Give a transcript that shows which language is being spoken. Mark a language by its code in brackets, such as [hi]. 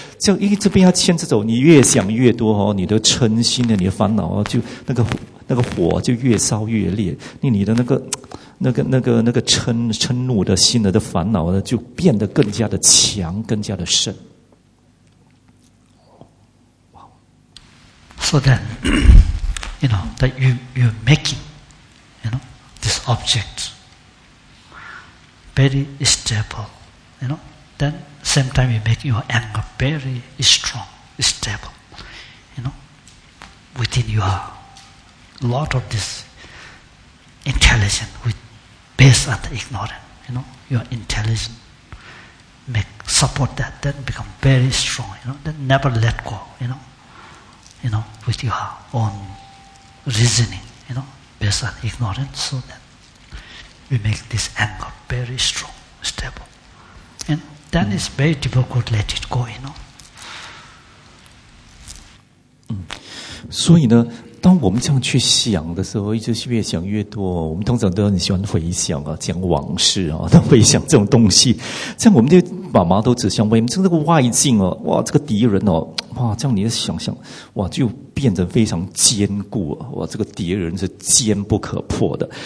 [zh] 就一直被他牵着走，你越想越多哦，你的嗔心呢，你的烦恼啊，就那个火就越烧越烈。你的那个嗔怒的心的烦恼呢，就变得更加的强，更加的深。 [en] So then, you know that you making, you know, this object very stable, you know. Then same time you make your anger very strong, stable, you know. Within you are a lot of this intelligence with. Based on the ignorant, you know, your intelligence make support that, then become very strong, you know, then never let go, you know, with your own reasoning, you know, based on ignorance, so then we make this anger very strong, stable. And then it's very difficult to let it go, you know. [zh] 所以呢当我们这样去想的时候，一直越想越多。我们通常都很喜欢回想啊，讲往事啊，都回想这种东西。这样我们就把麻都指向外面，这个外境啊，哇，这个敌人哦、啊，哇，这样你想想，哇，就变得非常坚固啊，哇，这个敌人是坚不可破的。